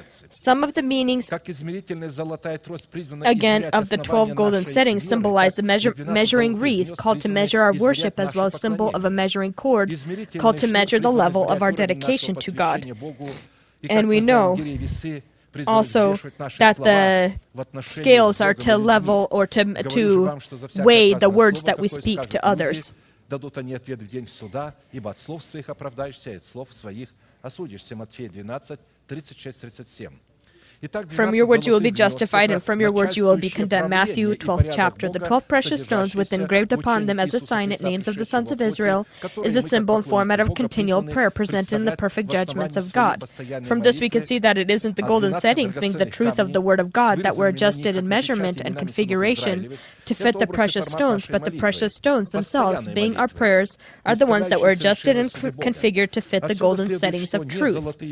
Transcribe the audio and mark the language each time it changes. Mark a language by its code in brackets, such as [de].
[en] Some of the meanings, again, of the 12 golden settings symbolize the measuring wreath, called to measure our worship, as well as symbol of a measuring cord, called to measure the level of our dedication to God. And we know also that the scales are to level or to weigh the words that we speak to others. [ru] дадут они ответ в день суда, ибо от слов своих оправдаешься, и от слов своих осудишься». Матфея 12, 36-37. [en] From your words you will be justified, and from your words you will be condemned. Matthew 12th chapter. The 12 precious stones with engraved upon them as a sign at names of the sons of Israel is a symbol and format of continual prayer presented in the perfect judgments of God. From this we can see that it isn't the golden settings being the truth of the word of God that were adjusted in measurement and configuration to fit the precious stones, but the precious stones themselves, being our prayers, are the ones that were adjusted and configured to fit the golden settings of truth.